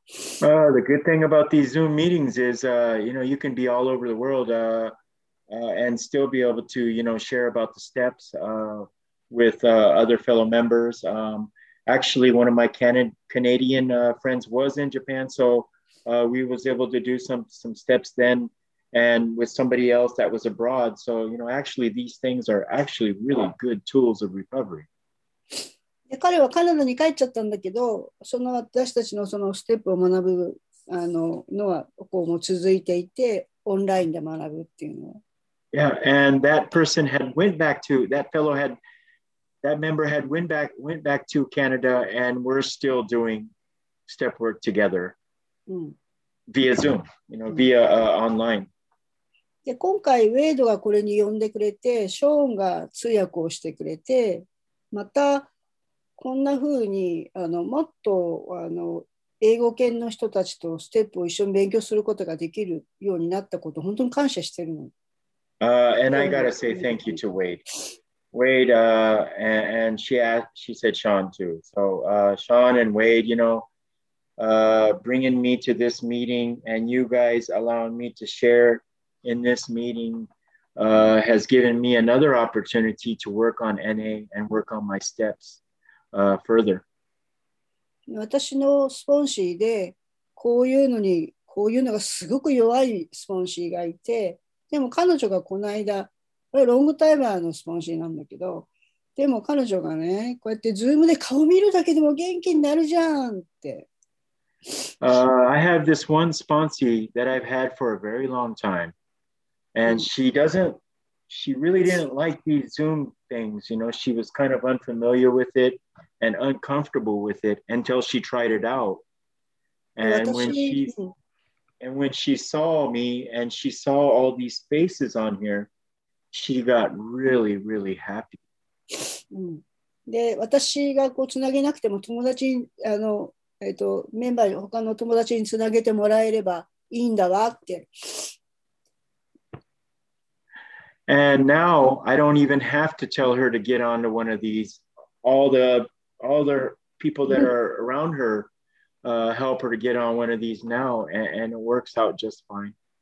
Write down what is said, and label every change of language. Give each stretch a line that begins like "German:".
English: The good thing about these Zoom meetings is, you know, you can be all over the world and still be able to, you know, share about the steps with other fellow members. Actually, one of my Canadian friends was in Japan, so we was able to do some steps then. And with somebody else that was abroad. So, you know, actually, these things are actually really good tools of recovery.
Japanese: で、彼はカナダに帰っちゃったんだけど、その私たちのそのステップを学ぶあの、のはこうも続いていて、オンラインで学ぶっていうの。
English: Yeah, and that person had went back to, that fellow had, that member had went back to Canada and we're still doing step work together. Via Zoom, you know, via online.
Japanese: で今回ウェイドがこれに呼んでくれて、ショーンが通訳をしてくれて、またこんな風にあのもっとあの英語圏の人たちとステップを一緒に勉強することができるようになったこと本当に感謝してるの。
English: And I gotta say thank you to Wade. Wade, and she asked, she said Sean too. So, Sean and Wade, you know. Bringing me to this meeting and you guys allowing me to share in this meeting has given me another opportunity to work on NA and work on my steps further.
Japanese: 私のスポンシーでこういうのにこういうのがすごく弱いスポンシーがいて、でも彼女がこの間、これロングタイマーのスポンシーなんだけど、でも彼女がね、こうやってズームで顔見るだけでも元気になるじゃんって。
English: I have this one sponsee that I've had for a very long time, and she really didn't like these Zoom things. You know, she was kind of unfamiliar with it and uncomfortable with it until she tried it out. And when she saw me and she saw all these faces on here, she got really, really happy.
Japanese: で、私がこうつなげなくても友達にあの、メンバーに他の友達につなげてもらえればいいんだわって。
English: And now I don't even have to tell her to get onto one of these. All the people that are around her, help her to get on one of these now, and it works out just fine.